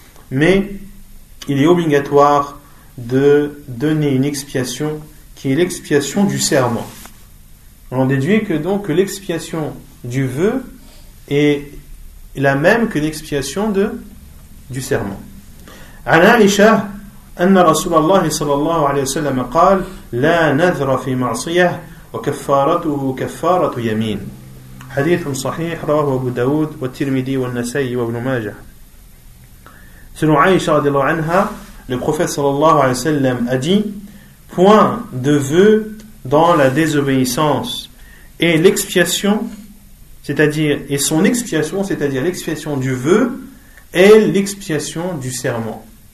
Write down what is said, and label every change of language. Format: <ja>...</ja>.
<fr>Mais il est obligatoire de donner une expiation qui est l'expiation du serment. On déduit que donc l'expiation du vœu est la même que l'expiation de, du serment.</fr> <ar>عن عائشة أن رسول الله صلى الله عليه وسلم قال لا نذر في معصية وكفارته كفارة يمين. حديث صحيح رواه أبو داود والترمذي والنسائي وابن ماجه.</ar> <fr>Selon عائشة</fr> <ar>رضي الله عنها,</ar> <fr>le prophète</fr> <ar>صلى الله عليه وسلم</ar> <fr>a dit: point de vœu dans la désobéissance et l'expiation, c'est-à-dire et son expiation, c'est-à-dire l'expiation du vœu est l'expiation du serment.</fr>